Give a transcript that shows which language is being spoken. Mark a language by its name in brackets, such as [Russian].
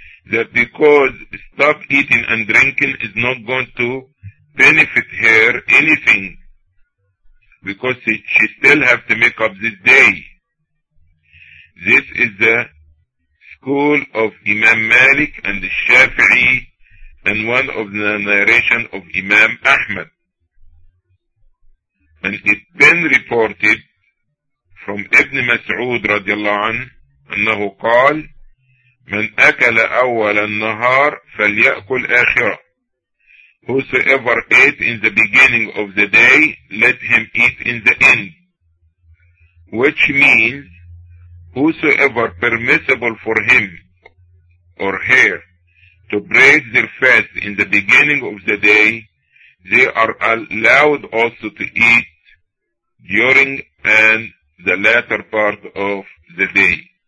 [English] That because stop eating and drinking is not going to benefit her anything, because she still have to make up this day. This is the school of Imam Malik and Shafi'i, and one of the narration of Imam Ahmad. And it's been reported from Ibn Mas'ud radiallahu anhu, [Arabic] أنه قال: من أكل أول النهار فليأكل آخرة. [English] Whosoever ate in the beginning of the day, let him eat in the end. Which means, whosoever permissible for him or her to break their fast in the beginning of the day, they are allowed also to eat during and the latter part of the day.